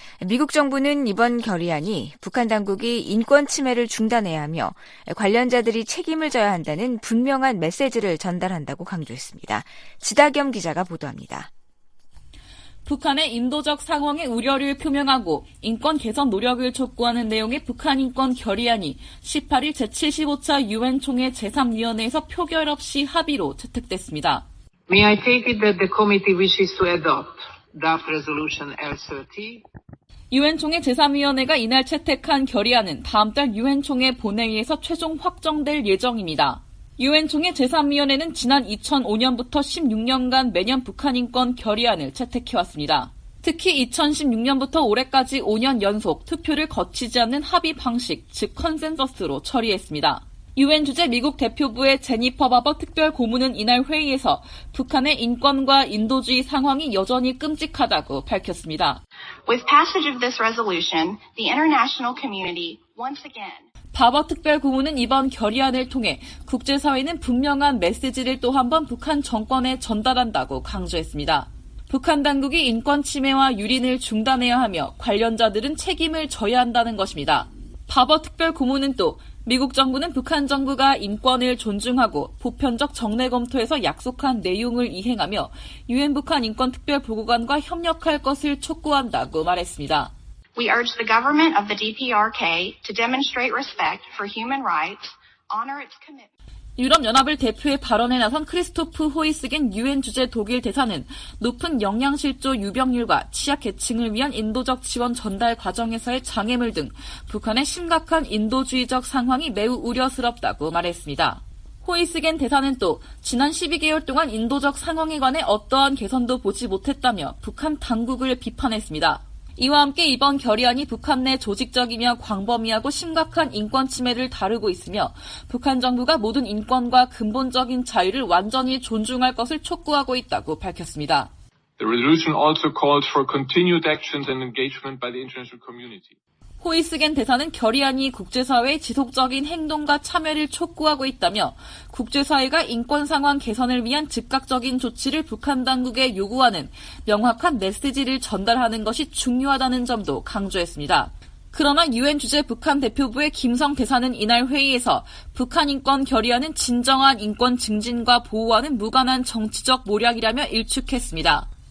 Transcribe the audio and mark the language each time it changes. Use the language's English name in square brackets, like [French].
[Korean] 미국 정부는 이번 결의안이 북한 당국이 인권 침해를 중단해야 하며 관련자들이 책임을 져야 한다는 분명한 메시지를 전달한다고 강조했습니다. 지다겸 기자가 보도합니다. 북한의 인도적 상황에 우려를 표명하고 인권 개선 노력을 촉구하는 내용의 북한 인권 결의안이 18일 제75차 유엔 총회 제3위원회에서 표결 없이 합의로 채택됐습니다. [English] May I take it that the committee wishes to adopt draft resolution L30? [Korean] 유엔 총회 제3위원회가 이날 채택한 결의안은 다음 달 유엔 총회 본회의에서 최종 확정될 예정입니다. 유엔 총회 제3위원회는 지난 2005년부터 16년간 매년 북한 인권 결의안을 채택해 왔습니다. 특히 2016년부터 올해까지 5년 연속 투표를 거치지 않는 합의 방식, 즉 컨센서스로 처리했습니다. 유엔 주재 미국 대표부의 제니퍼 바버 특별 고문은 이날 회의에서 북한의 인권과 인도주의 상황이 여전히 끔찍하다고 밝혔습니다. [English] With passage of this resolution, the international community once again. [Korean] 바버 특별 고문은 이번 결의안을 통해 국제사회는 분명한 메시지를 또 한 번 북한 정권에 전달한다고 강조했습니다. 북한 당국이 인권 침해와 유린을 중단해야 하며 관련자들은 책임을 져야 한다는 것입니다. 바버 특별 고문은 또 미국 정부는 북한 정부가 인권을 존중하고 보편적 정례 검토에서 약속한 내용을 이행하며 유엔 북한 인권 특별 보고관과 협력할 것을 촉구한다고 말했습니다. [English] We urge the government of the DPRK to demonstrate respect for human rights, honor its commitment. [Korean] 유럽연합을 대표해 발언에 나선 크리스토프 호이스겐 유엔 주재 독일 대사는 높은 영양실조 유병률과 취약계층을 위한 인도적 지원 전달 과정에서의 장애물 등 북한의 심각한 인도주의적 상황이 매우 우려스럽다고 말했습니다. 호이스겐 대사는 또 지난 12개월 동안 인도적 상황에 관해 어떠한 개선도 보지 못했다며 북한 당국을 비판했습니다. 이와 함께 이번 결의안이 북한 내 조직적이며 광범위하고 심각한 인권 침해를 다루고 있으며 북한 정부가 모든 인권과 근본적인 자유를 완전히 존중할 것을 촉구하고 있다고 밝혔습니다. [English] The resolution also calls for continued actions and engagement by the international community. [Korean] 호이스겐 대사는 결의안이 국제사회의 지속적인 행동과 참여를 촉구하고 있다며 국제사회가 인권 상황 개선을 위한 즉각적인 조치를 북한 당국에 요구하는 명확한 메시지를 전달하는 것이 중요하다는 점도 강조했습니다. 그러나 유엔 주재 북한 대표부의 김성 대사는 이날 회의에서 북한 인권 결의안은 진정한 인권 증진과 보호와는 무관한 정치적 모략이라며 일축했습니다.